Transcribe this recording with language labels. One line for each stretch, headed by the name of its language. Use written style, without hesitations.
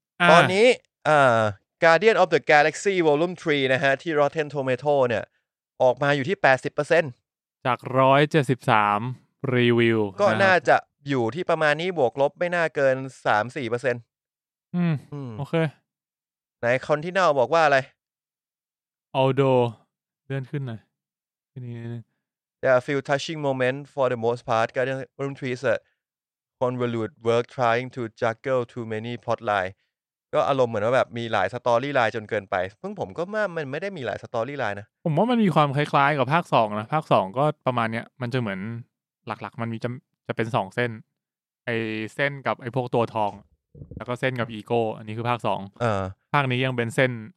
Thai: ตอนนี้Guardian of the Galaxy Volume 3นะฮะที่ Rotten Tomato เนี่ยออกมาอยู่ที่ 80% จาก173รีวิว ก็น่าจะอยู่ที่ประมาณนี้บวกลบไม่น่าเกิน 3-4% โอเค ไหน Continental บอกว่าอะไร Aldo เดินขึ้นหน่อยนี่
English: There are a few touching moments for the most part. Guardians of the Galaxy is a convoluted work trying to juggle too many plot lines.
Thai: ก็อารมณ์เหมือนว่าแบบมีหลายสตอรี่ไลน์จนเกินไปซึ่งผมก็ว่ามันไม่ได้มีหลายสตอรี่ไลน์นะ ผมว่ามันมีความคล้ายๆกับภาค2นะภาค2ก็ประมาณเนี้ยมันจะเหมือนหลักๆมันมีจะเป็น2เส้นไอ้เส้นกับไอ้พวกตัวทองแล้วก็เส้นกับอีโก้อันนี้คือภาค2ภาคนี้ยังเป็นเส้น